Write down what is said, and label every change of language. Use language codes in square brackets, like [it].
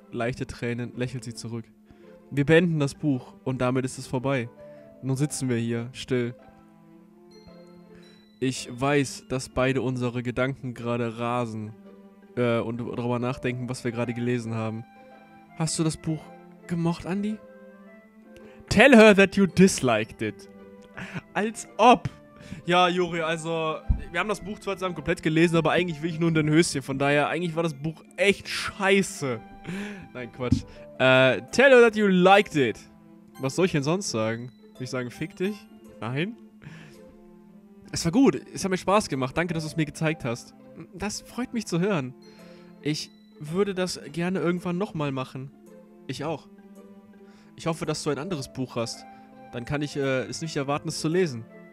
[de] leichte Tränen lächelt sie zurück. Wir beenden das Buch und damit ist es vorbei. Nun sitzen wir hier, still. Ich weiß, dass beide unsere Gedanken gerade rasen und darüber nachdenken, was wir gerade gelesen haben. Hast du das Buch gemocht, Andy? [en] Tell her that you disliked it. [de] Als ob. Ja, Juri, also, wir haben das Buch zwar zusammen komplett gelesen, aber eigentlich will ich nur in dein Höschen. Von daher, eigentlich war das Buch echt scheiße. Nein, Quatsch. [en] Tell her that you liked it. [de] Was soll ich denn sonst sagen? Soll ich sagen, fick dich? Nein. Es war gut. Es hat mir Spaß gemacht. Danke, dass du es mir gezeigt hast. Das freut mich zu hören. Ich würde das gerne irgendwann nochmal machen. Ich auch. Ich hoffe, dass du ein anderes Buch hast. Dann kann ich es nicht erwarten, es zu lesen.